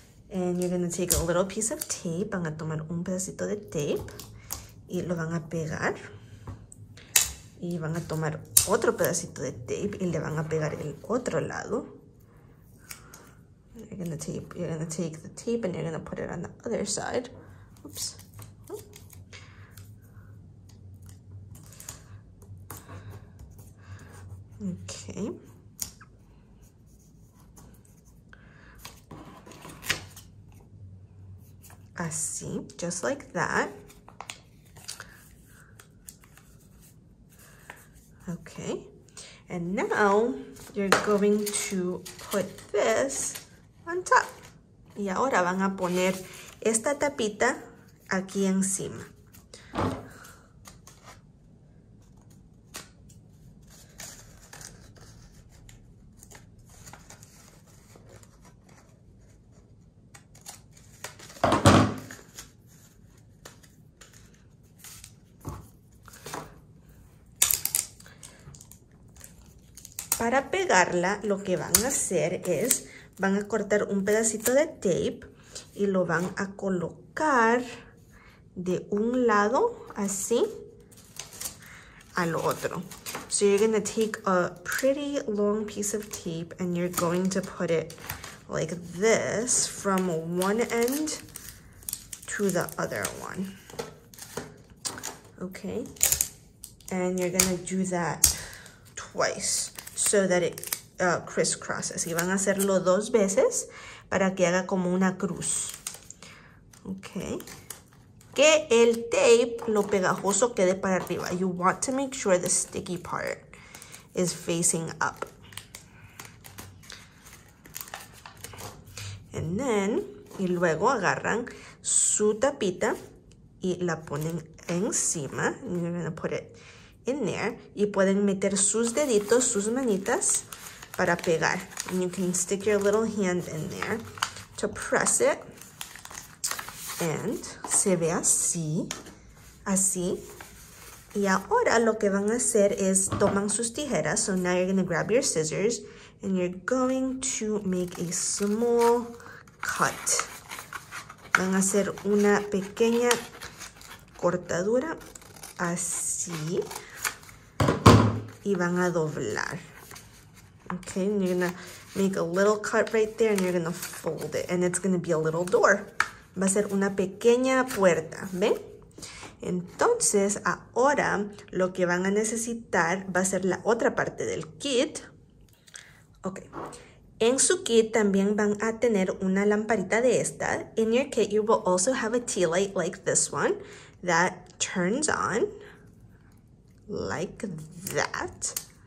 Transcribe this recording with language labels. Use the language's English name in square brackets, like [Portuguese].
[English] And you're going to take a little piece of tape. [Spanish] Van a tomar un pedacito de tape y lo van a pegar. Y van a tomar otro pedacito de tape y le van a pegar el otro lado. [English] You're going to take the tape and you're going to put it on the other side. Oops. Okay. [Spanish] Así, [English] just like that. Okay. And now you're going to put this on top. [Spanish] Y ahora van a poner esta tapita aquí encima. Para pegarla, lo que van a hacer es, van a cortar un pedacito de tape y lo van a colocar de un lado, así, al otro. [English] So you're going to take a pretty long piece of tape and you're going to put it like this from one end to the other one. Okay. And you're going to do that twice. So that it crisscrosses. [Spanish] Y van a hacerlo dos veces para que haga como una cruz. Ok. Que el tape, lo pegajoso, quede para arriba. [English] You want to make sure the sticky part is facing up. And then, [Spanish] y luego agarran su tapita y la ponen encima. [English] And you're going to put it in there [Spanish] y pueden meter sus deditos, sus manitas para pegar. [English] And you can stick your little hand in there to press it. And [Spanish] se ve así, así. Y ahora lo que van a hacer es toman sus tijeras. [English] So now you're going to grab your scissors And you're going to make a small cut. [Spanish] Van a hacer una pequeña cortadura así. Y van a doblar. [English] Okay, and you're gonna make a little cut right there and you're gonna fold it. And it's gonna be a little door. [Spanish] Va a ser una pequeña puerta, ¿ven? Entonces, ahora lo que van a necesitar va a ser la otra parte del kit. Ok. En su kit también van a tener una lamparita de esta. [English] In your kit, you will also have a tea light like this one that turns on like that.